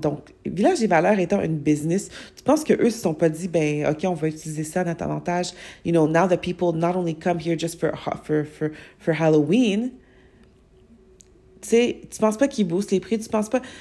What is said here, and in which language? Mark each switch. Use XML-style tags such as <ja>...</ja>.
<fr>Donc, Village et Valeurs étant une business, tu penses qu'eux ne se sont pas dit, ben OK, on va utiliser ça à notre avantage.</fr> <en>You know, now the people not only come here just for Halloween.</en> <fr>Tu sais, tu penses pas qu'ils boostent les prix, tu penses pas...</fr>